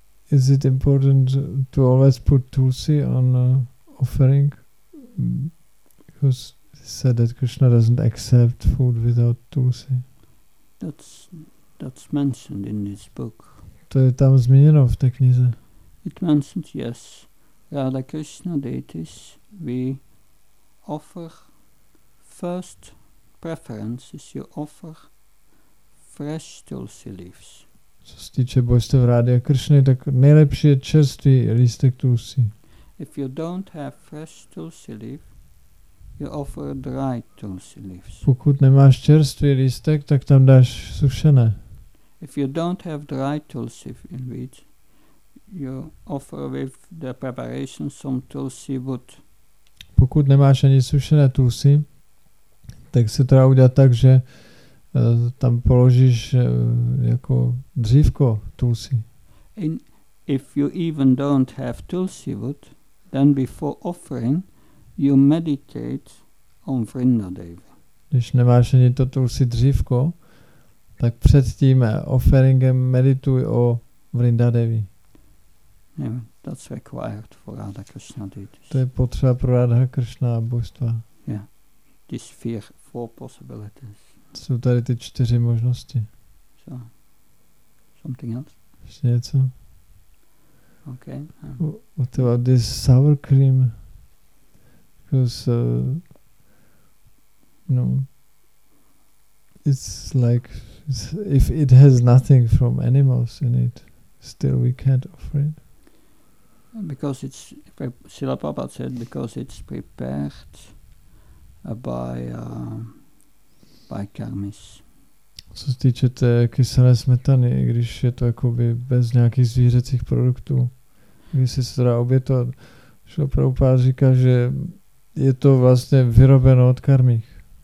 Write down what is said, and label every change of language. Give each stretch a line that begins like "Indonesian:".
English: Is it important to always put tulsi on offering? Because he said that Krishna doesn't accept food without tulsi. That's mentioned in this book.
Czech: To je tam zmíněno v té knize.
English: It mentions, yes. Radha Krishna deities, we offer first preferences, you offer fresh tulsi leaves.
Czech: Co se týče božstev Radha Krishna, tak nejlepší je čerstvý lístek tulsi.
English: If you don't have fresh tulsi leaf, you offer dry tulsi leaves.
Czech: Pokud nemáš čerstvý lístek, tak tam dáš sušené.
English: If you don't have dry tulsi leaves, you offer with the preparation some tulsi wood.
Czech: Pokud nemáš ani sušené tulsi, tak se to dá udělat tak, že tam položíš jako dřívko tulsi.
English: And if you even don't have tulsi wood, then before offering you meditate on Vrindadeva.
Czech: Když nemáš ani to tulsi dřívko, tak před tím offeringem medituj o Vrindadevi.
English: Yeah, that's required for Radha Krishna deities.
Czech: To je potřeba pro Radha Krishna božstva.
English: Yeah. These four possibilities.
Czech: Jsou tady ty čtyři možnosti.
English: So, something else?
Czech: Ještě něco?
English: Okay. What about this sour cream? Because, no, it's like, if it has nothing from animals in it, still we can't offer it. Because it's, Srila Prabhupada said, because it's prepared by karmis.
Czech: Co se týče té kyselé smetany, i když je to jakoby bez nějakých zvířecích produktů, když se to dá obětovat, Šlo Prabhupád říká, že je to vlastně vyrobeno od karmích.